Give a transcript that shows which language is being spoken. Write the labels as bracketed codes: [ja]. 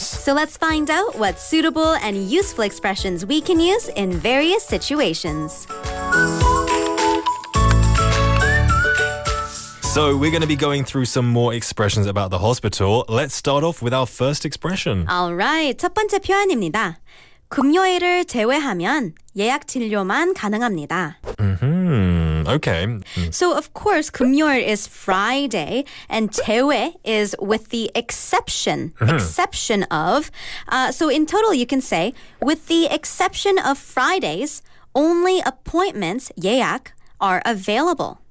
[en] So let's find out what suitable and useful expressions we can use in various situations. So we're going to be going through some more expressions about the hospital. Let's start off with our first expression. All right, [ko] 첫 번째 표현입니다. 금요일을 제외하면 예약 진료만 가능합니다. [en] Okay. So of course, 금요일 is Friday, and 제외 is with the exception, exception of. So in total, you can say, with the exception of Fridays, only appointments, 예약, are available.